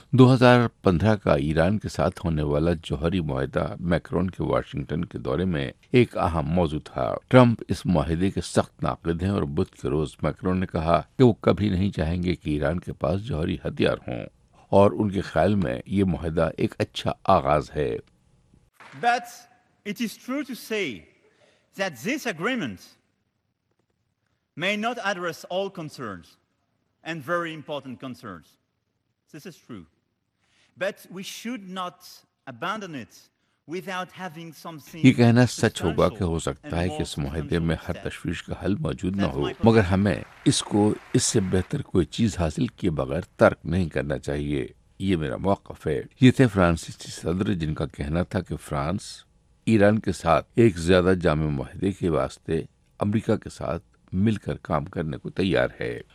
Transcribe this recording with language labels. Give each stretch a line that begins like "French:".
Urdu: 2015 کا ایران کے ساتھ ہونے والا جوہری معاہدہ میکرون کے واشنگٹن کے دورے میں ایک اہم موضوع تھا. ٹرمپ اس معاہدے کے سخت ناقد ہیں, اور بدھ کے روز میکرون نے کہا کہ وہ کبھی نہیں چاہیں گے کہ ایران کے پاس جوہری ہتھیار ہوں, اور ان کے خیال میں یہ معاہدہ ایک اچھا آغاز ہے.
English: But it is true to say that this agreement may not address all concerns and very important concerns. This is true. But we should not abandon it without having something.
Urdu: یہ کہنا سچ ہوگا کہ ہو سکتا ہے کہ اس معاہدے میں ہر تشویش کا حل موجود نہ ہو, مگر ہمیں اس کو اس سے بہتر کوئی چیز حاصل کیے بغیر ترک نہیں کرنا چاہیے, یہ میرا موقف ہے. یہ تھے فرانسیسی صدر جن کا کہنا تھا کہ فرانس ایران کے ساتھ ایک زیادہ جامع معاہدے کے واسطے امریکہ کے ساتھ مل کر کام کرنے کو تیار ہے.